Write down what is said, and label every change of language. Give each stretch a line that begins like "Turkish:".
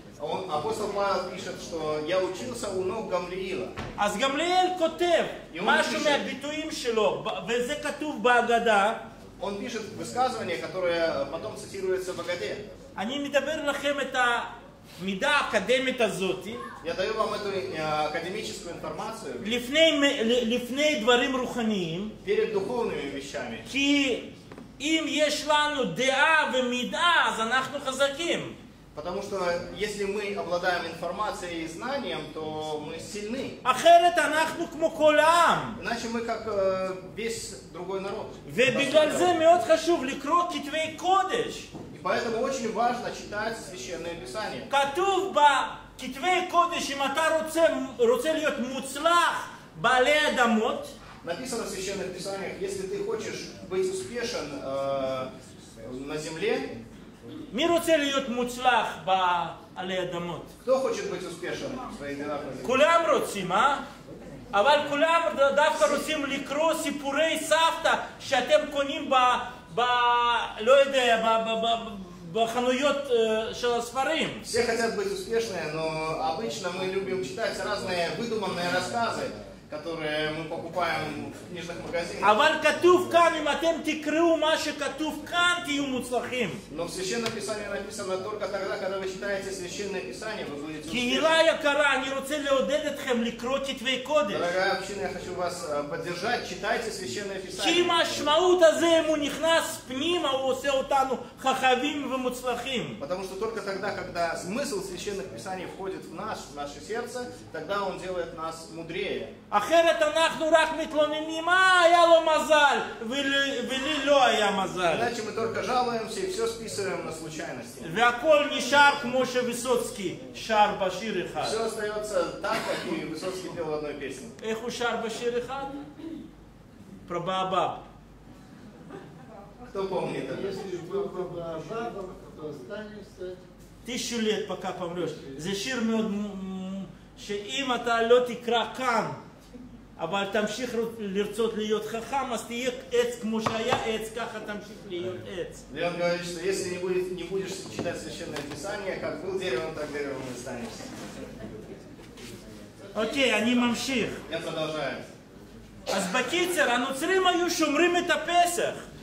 Russian: апостол Павел пишет, что я учился у ног Гамлиила.
Hebrew: אז גמליאל כותב משהו מהביטויים שלו וזה כתוב בהגדה.
Russian: Он пишет высказывание, которое потом цитируется в Агаде.
Hebrew: אני מדבר לכם את מידה אקדמית הזאת.
Russian: Я даю вам эту академическую информацию.
Hebrew: לפני דברים רוחניים.
Russian: Перед духовными вещами.
Hebrew: כי אם יש לנו דעה ומידה, אז אנחנו חזקים.
Russian: Потому что если мы обладаем информацией и знанием, то мы сильны.
Hebrew: אחרת אנחנו כמו כל העם.
Russian: Иначе мы как весь другой народ.
Hebrew: ובגלל זה מאוד חשוב לקרוא כתבי קודש.
Russian: Поэтому очень важно читать священное писание.
Hebrew: כתוב ב כתבי קודש, אם אתה רוצה להיות מוצלח בעלי אדמות.
Russian: Написано в священных писаниях, если ты хочешь быть успешен на земле.
Hebrew: מי רוצה להיות מוצלח בעלי אדמות?
Russian: Кто хочет быть успешен в своей дорогой?
Hebrew: כולם רוצים, а? אבל כולם דווקא רוצים לקרוא סיפורי סבתא שאתם קונים ב לא יודע, בחנויות של הספרים.
Russian: Все хотят быть успешными, но обычно мы любим читать разные выдуманные рассказы, которые мы покупаем в книжных магазинах.
Hebrew: אבל כתוב כאן, אם אתם תקראו מה שכתוב כאן, תהיו מוצלחים.
Russian: Но в священном писании написано только тогда, когда вы читаете священное писание, вы будете успешны.
Hebrew: קהילה יקרה, אני רוצה לעודד אתכם לקרוא כתבי קודש.
Russian: Дорогая община, я хочу вас поддержать, читайте священное писание.
Hebrew: כי משמעות הזה, אם הוא נכנס פנימה, הוא עושה אותנו חכמים ומוצלחים.
Russian: Потому что только тогда, когда смысл священных писаний входит в нас, в наше сердце, тогда он делает нас мудрее.
Hebrew: אחרת אנחנו רק מתלוננים, היה לו מזל, ולי לא היה מזל.
Russian: Иначе мы только жалуемся и все списываем на случайности.
Hebrew: והכל נשאר כמו שויסוצקי שר בשיר אחד.
Russian: Все остается так, как и Высоцкий пел в одной песне.
Hebrew: איך הוא שר בשיר אחד?
Russian: Про баобаб. Кто помнит это? Если про баобаб, то останешься. Тысячу лет пока помрешь.
Hebrew: זה שיר מאוד, שאם אתה לא תקרא כאן, אבל תמשיך לרצות להיות חכם, אז תהיה עץ כמו שהיה עץ, ככה תמשיך להיות עץ.
Russian: Леон говорит, что если не будешь читать священное писание, как был деревом, так деревом и останешься.
Hebrew: Окей, אני ממשיך.
Russian: Я продолжаю.
Hebrew: אז בקיצר, הנוצרים היו שומרים את הפסח.